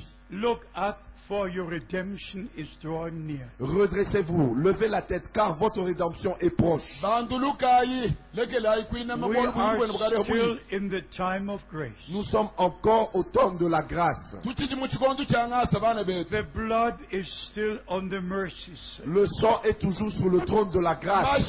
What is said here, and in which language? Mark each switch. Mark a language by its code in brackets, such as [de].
[en] Look up, for your redemption is drawing near. [fr] Redressez-vous, levez la tête, car votre rédemption est proche. [en] We are still in the time of grace. [fr] Nous sommes encore au temps de la grâce. [en] The blood is still on the mercy seat. [fr] Le sang est toujours sur le trône de la grâce.